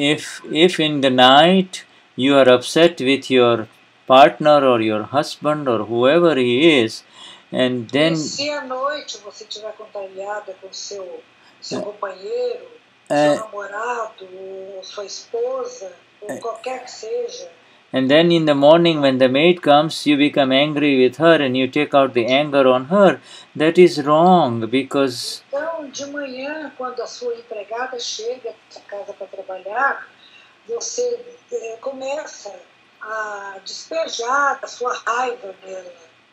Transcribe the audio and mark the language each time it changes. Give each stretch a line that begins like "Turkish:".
English: If in the night you are upset with your partner or your husband or whoever he is, and then,
Portuguese: se à noite você estiver contrariada com seu companheiro, seu namorado, sua esposa, ou qualquer que seja,
English: and then in the morning when the maid comes, you become angry with her and you take out the anger on her, that is wrong, because
Portuguese: então, de manhã, quando a sua empregada chega à casa para trabalhar, você começa a despejar a sua raiva nela.